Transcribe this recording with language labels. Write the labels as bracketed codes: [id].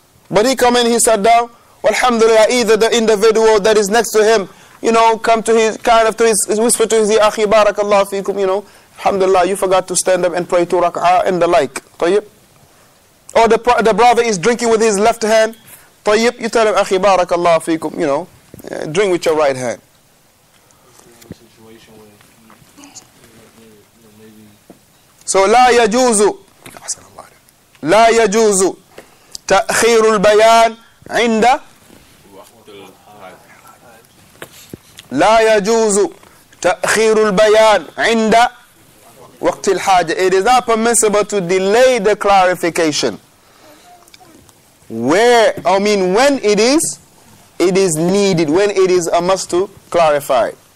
[en] But he come in, he sat down, Alhamdulillah, either the individual that is next to him, come to his, whisper to his akhi, [ar] barakallahu fikum, [en] Alhamdulillah, you forgot to stand up and pray two rak'ah and the like, طيب. Or the brother is drinking with his left hand, طيب, you tell him, akhi, [ar] barakallahu fikum, [en] drink with your right hand. [ar] So, لا يجوز, تأخير البيان, عند لا يجوز تأخير البيان عند وقت الحاجة. [en] It is not permissible to delay the clarification when it is needed, when it is a must to clarify.